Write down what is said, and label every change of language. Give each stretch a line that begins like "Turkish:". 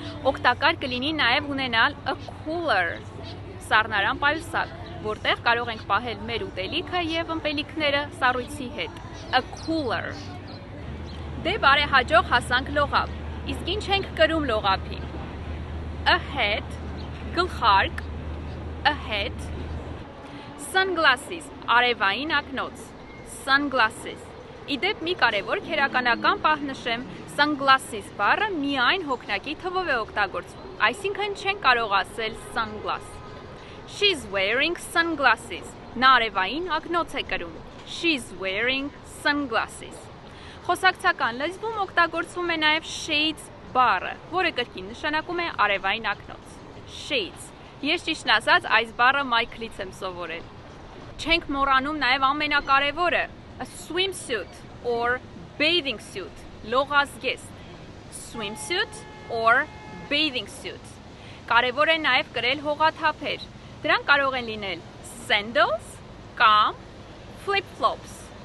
Armenian: Օգտակար կլինի նաև ունենալ a cooler, սառնարան պայուսակ, որտեղ կարող ենք պահել մեր ուտելիքը եւ ըմպելիքները սառույցի հետ. A cooler. Դե բարեհաջող հասանք լողափ։ Իսկ ինչ ենք կրում լողափին?
English: A hat, գլխարկ. A hat. Sunglasses, արևային ակնոց. Sunglasses.
Armenian: Իդեպ մի կարևոր քերականական պահ նշեմ, sunglasses բառը միայն հոգնակի թվով է օգտագործվում, այսինքն չեն կարող ասել sunglass.
English: She's wearing sunglasses.
Armenian: Նա արևային ակնոց է կրում.
English: She's wearing sunglasses.
Armenian: Խոսակցական լեզվում օգտագործվում է նաև shades բառը, որը կրկին նշանակում է արևային ակնոց. Shades. Ես ճիշտ ասած այս բառը Michael-ից եմ սովորել։ Չենք մոռանում նաև ամենակարևորը.
English: A swimsuit or bathing suit.
Armenian: Լողազգեստ.
English: Swimsuit or bathing suit.
Armenian: Կարևոր է նաև կրել հողաթափեր. Դրանք կարող են լինել sandals կամ flip-flops.